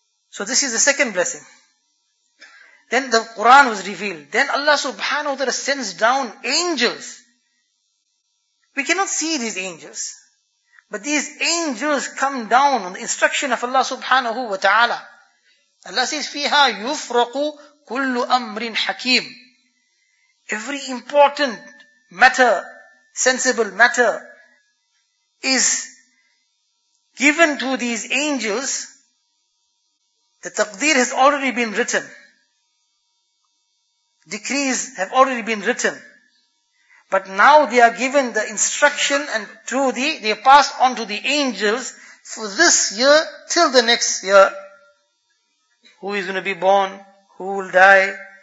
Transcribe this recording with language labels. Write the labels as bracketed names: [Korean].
[English] So this is the second blessing. Then the Quran was revealed. Then Allah subhanahu wa ta'ala sends down angels. We cannot see these angels, but these angels come down on the instruction of Allah subhanahu wa ta'ala. Allah says, [Arabic] فِيهَا يُفْرَقُ كُلُّ أَمْرٍ حَكِيمٍ. [English] Every important matter, sensible matter, is given to these angels. The taqdeer has already been written. Decrees have already been written. But now they are given the instruction, and through the, they pass on to the angels for this year till the next year. Who is going to be born? Who will die?